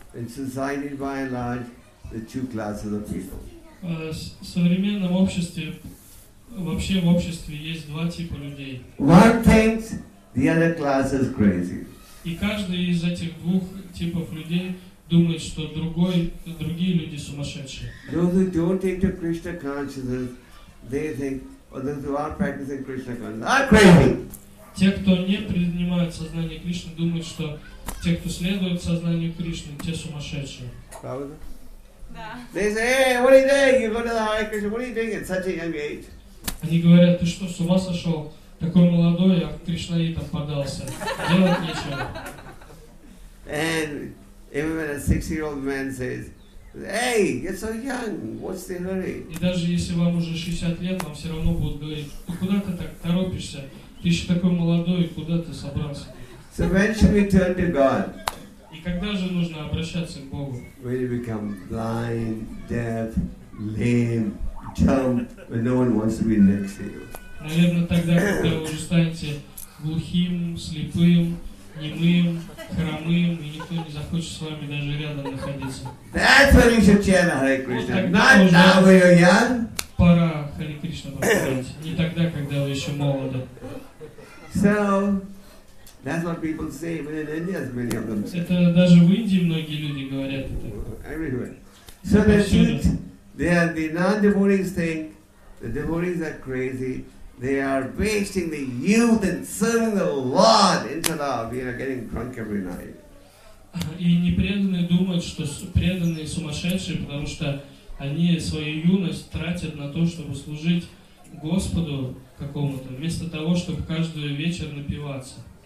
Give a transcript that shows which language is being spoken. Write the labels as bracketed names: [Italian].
[English] In society, by and large, the two classes of people. [Russian] В современном обществе, вообще в обществе есть два типа людей. One thinks the other class is crazy. И каждый из этих двух типов людей думает, что другие люди сумасшедшие. Those who don't take to Krishna consciousness, they think, or those who are practicing Krishna consciousness, are crazy. Те, кто не принимают сознание Кришны, думают, что те, кто следует сознанию Кришны, те сумасшедшие. Правда? Да. [English] They say, hey, what are you doing? You go to the Hare Krishna, what are you doing at such a young age? [Russian] Они говорят, ты что, с ума сошел? Такой молодой, а Кришнаитом подался. Делать нечего. [English] And even when a 60-year-old man says, hey, you're so young, what's the hurry? [Russian] И даже если вам уже 60 лет, вам все равно будут говорить, ну куда ты так торопишься? Ты еще такой молодой, куда ты собрался? [English] So when should we turn to God? [Russian] И когда же нужно обращаться к Богу? [English] When you become blind, deaf, lame, dumb, when no one wants to be next to you. [Russian] Наверное, тогда, когда вы уже станете глухим, слепым, немым, хромым, и никто не захочет с вами даже рядом находиться. [English] That's when you should chant Hare Krishna. Not now when you're young. [Russian] Пора Хари Кришна повторять. Не тогда, когда вы еще молоды. [English] So, That's what people say, even in India, many of them say. [Russian] Это даже в Индии многие люди говорят это. [English] Everywhere. So the truth, they are the non-devotees think the devotees are crazy. They are wasting the youth and serving the Lord instead of, you know, getting drunk every night. [Russian] И непреданные думают, что преданные сумасшедшие, потому что они свою юность тратят на то, чтобы служить Господу какому-то, вместо того, чтобы каждый вечер напиваться.